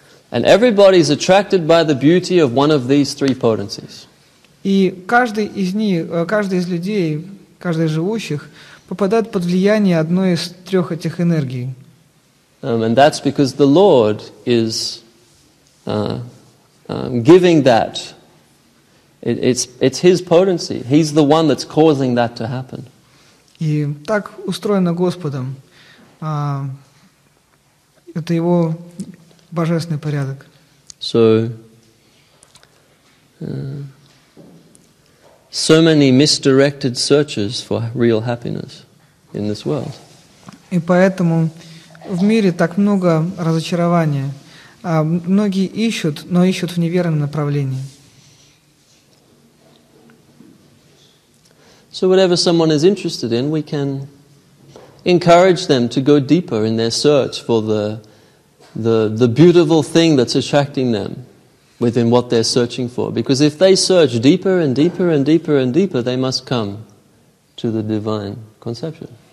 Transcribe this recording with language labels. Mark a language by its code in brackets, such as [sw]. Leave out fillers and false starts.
[en] And everybody is attracted by the beauty of one of these three potencies. [ru] И каждый из людей, каждый из живущих попадает под влияние одной из трех этих энергий. [en] And that's because the Lord is giving that. It's His potency. He's the one that's causing that to happen. [ru] И так устроено Господом. Это Его божественный порядок. [en] So many misdirected searches for real happiness in this world. [ru] И поэтому в мире так много разочарования. Многие ищут, но ищут в неверном направлении. [en] So whatever someone is interested in, we can encourage them to go deeper in their search for the beautiful thing that's attracting them within what they're searching for. Because if they search deeper and deeper and deeper and deeper, they must come to the divine conception.